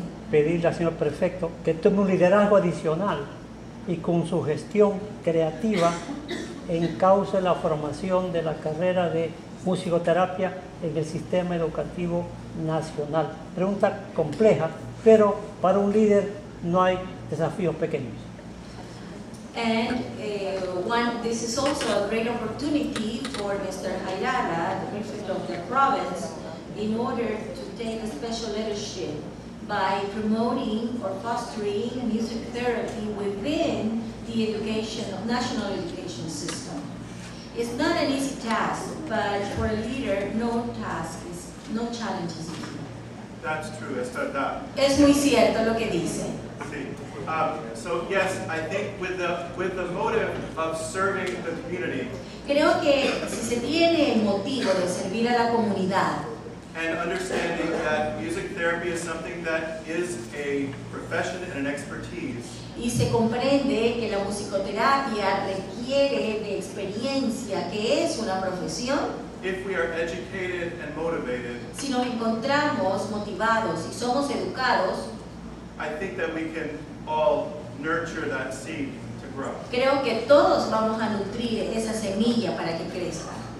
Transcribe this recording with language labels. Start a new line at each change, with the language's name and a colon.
Spanish: Pedirle al señor prefecto que tome un liderazgo adicional y con su gestión creativa encauce la formación de la carrera de musicoterapia en el sistema educativo nacional. Pregunta compleja, pero para un líder no hay desafíos pequeños.
English: And this is also a great opportunity for Mr. Hayara, the prefect of the province, in order to take a special leadership by promoting or fostering music therapy within the education of national education system. It's not an easy task, but for a leader, no challenge is easy. That's true,
Spanish: es verdad. Es muy cierto lo que dice. Sí.
English: So yes, I think with the motive of serving the community.
Spanish: Creo que si se tiene el motivo de servir a la comunidad.
English: And understanding that music therapy is something that is a profession and an expertise.
Spanish: Y se comprende que la musicoterapia requiere de experiencia, que es una profesión.
English: If we are educated and motivated,
Spanish: si nos encontramos motivados y somos educados,
English: I think that we can all nurture that seed to grow.
Spanish: Creo que todos vamos a nutrir esa semilla para que crezca.